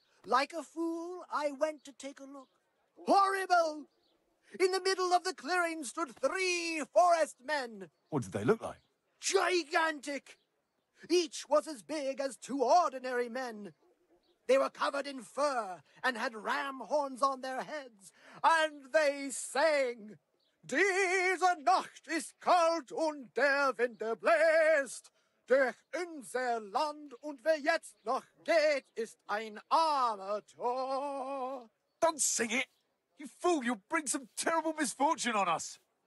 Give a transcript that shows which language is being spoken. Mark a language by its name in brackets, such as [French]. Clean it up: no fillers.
[English] Like a fool, I went to take a look. Horrible! In the middle of the clearing stood three forest men. What did they look like? Gigantic! Each was as big as two ordinary men. They were covered in fur and had ram horns on their heads. And they sang, [German] Diese Nacht ist kalt und der Wind bläst durch unser Land und wer jetzt noch geht ist ein armer Tor. [English] Don't sing it! You fool, you'll bring some terrible misfortune on us!